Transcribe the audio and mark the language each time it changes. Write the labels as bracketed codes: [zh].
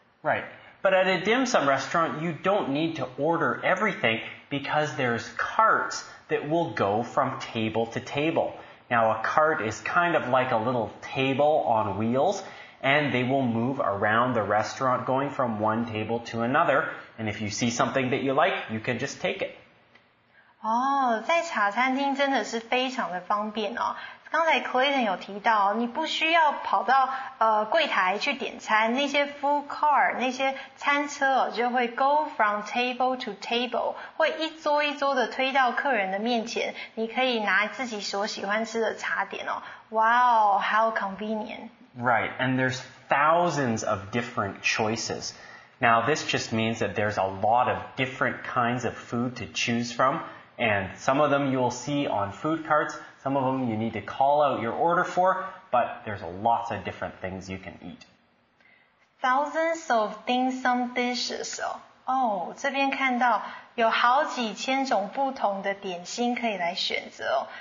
[en] Right, but at a dim sum restaurant, you don't need to order everything because there's carts that will go from table to table. Now, a cart is kind of like a little table on wheels, and they will move around the restaurant going from one table to another, and if you see something that you like, you can just take it. [zh] 哦，在茶餐厅真的是非常的方便哦。刚才 Clayton 有提到，你不需要跑到柜台去点餐，那些 food cart 那些餐车哦，就会 [en] go from table to table， [zh] 会一桌一桌的推到客人的面前，你可以拿自己所喜欢吃的茶点哦。 [en] Wow, how convenient! Right, and there's thousands of different choices. Now, this just means that there's a lot of different kinds of food to choose from, and some of them you'll see on food carts. Some of them you need to call out your order for, but there's lots of different things you can eat. Thousands of dim sum dishes. [zh] Oh, 这边看到有好几千种不同的点心可以来选择哦。